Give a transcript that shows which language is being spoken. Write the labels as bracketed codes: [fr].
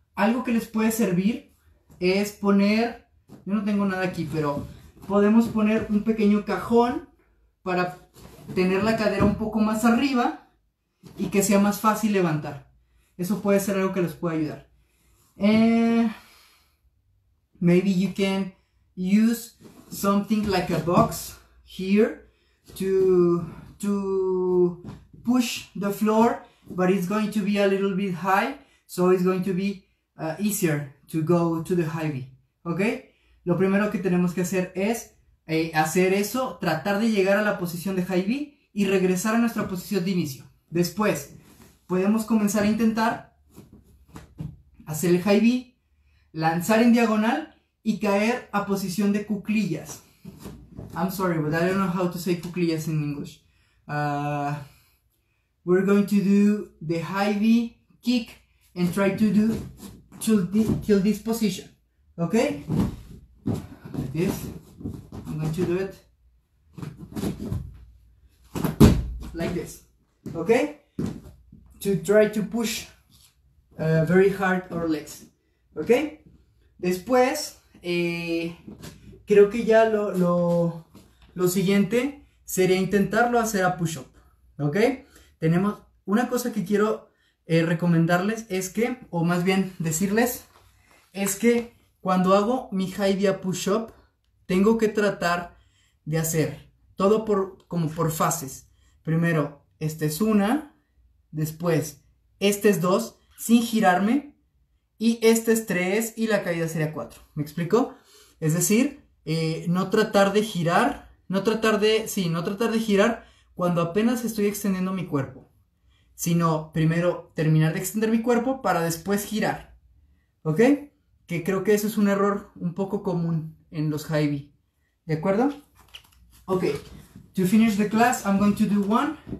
[es] Algo que les puede servir es poner, yo no tengo nada aquí, pero podemos poner un pequeño cajón para tener la cadera un poco más arriba y que sea más fácil levantar. Eso puede ser algo que les puede ayudar. [en] Maybe you can use something like a box here to push the floor. But it's going to be a little bit high, so it's going to be easier to go to the high V. ¿Ok? [es] Lo primero que tenemos que hacer es hacer eso, tratar de llegar a la posición de high V y regresar a nuestra posición de inicio. Después, podemos comenzar a intentar hacer el high V, lanzar en diagonal y caer a posición de cuclillas. [en] I'm sorry, but I don't know how to say cuclillas in English. We're going to do the high V kick and try to do till this position. Okay? Like this. I'm going to do it like this. Okay? To try to push very hard our legs. Okay? [es] Después, creo que ya lo siguiente sería intentarlo hacer a push-up. Okay? Tenemos una cosa que quiero recomendarles es que, o más bien decirles, es que cuando hago mi high V push-up, tengo que tratar de hacer todo como por fases. Primero, esta es una, después, esta es dos, sin girarme, y esta es tres, y la caída sería cuatro. ¿Me explico? Es decir, no tratar de girar, no tratar de, sí, no tratar de girar. Cuando apenas estoy extendiendo mi cuerpo, sino primero terminar de extender mi cuerpo para después girar. ¿Ok? Que creo que eso es un error un poco común en los high B. ¿De acuerdo? Ok. [en] To finish the class, I'm going to do one.